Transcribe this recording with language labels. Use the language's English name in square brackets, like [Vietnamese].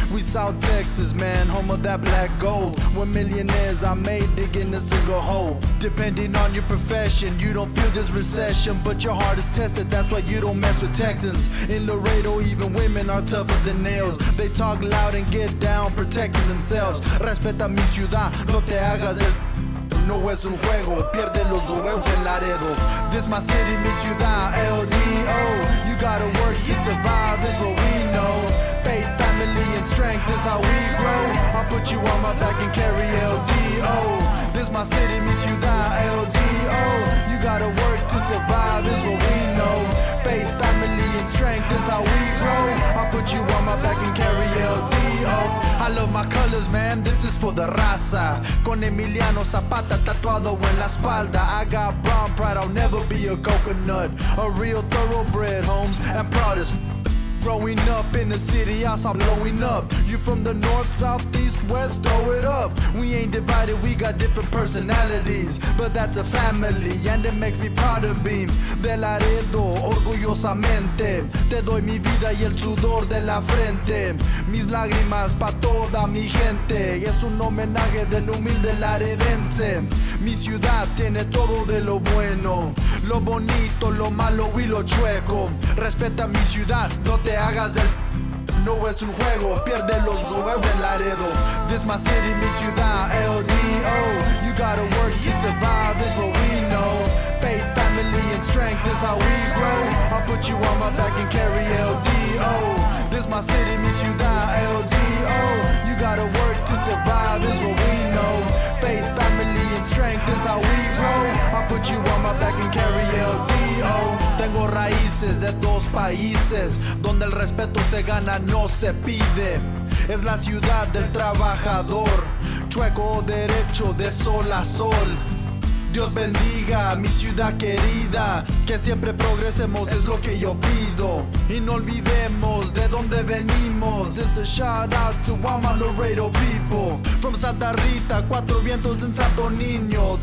[English] We South Texas, man, home of that black gold. Where millionaires are made digging a single hole. Depending on your profession, you don't feel this recession. But your heart is tested, that's why you don't mess with Texans. In Laredo, even women are tougher the nails. They talk loud and get down, protecting themselves. [Spanish] Respeta mi ciudad, no te hagas el... No es un juego, pierde los huevos en Laredo. [English] This my city, [Spanish] mi ciudad, [English] L-D-O. You gotta work to survive, this what we know. Faith, family, and strength, this how we grow. I'll put you on my back and carry L-D-O. This my city, [Spanish] mi ciudad, [English] L-D-O. You gotta work to survive, this what we know. Faith, family, and strength is how we grow. I'll put you on my back and carry LDO. I love my colors, man, this is for the raza. [Spanish] Con Emiliano Zapata tatuado en la espalda. [English] I got brown pride, I'll never be a coconut. A real thoroughbred, homes, and proud as f- Growing up in the city, I saw blowing up. You from the north, south, east, west, throw it up. We ain't divided, we got different personalities. But that's a family, and it makes me proud of being [Spanish] De Laredo, orgullosamente. Te doy mi vida y el sudor de la frente. Mis lágrimas pa' toda mi gente. Es un homenaje del humilde laredense. Mi ciudad tiene todo de lo bueno. Lo bonito, lo malo y lo chueco. Respeta mi ciudad, no te hagas el no es un juego, pierde los huevos en Laredo. [English] This my city, [Spanish] mi ciudad, [English] LDO. You gotta work to survive, this what we know. Faith, family, and strength is how we grow. I'll put you on my back and carry LDO. This my city, [Spanish] mi ciudad, [English] LDO. You gotta work to survive, this what we know. Faith, family, and strength is how we grow. I'll put you on my back and carry LDO. [Spanish] Tengo raíces de dos países, donde el respeto se gana, no se pide. Es la ciudad del trabajador, chueco o derecho, de sol a sol. Dios bendiga mi ciudad querida, que siempre progresemos, es lo que yo pido. Y no olvidemos de dónde venimos. [English] This is a shout out to all my Laredo people. From Santa Rita, cuatro vientos en Santo Niño.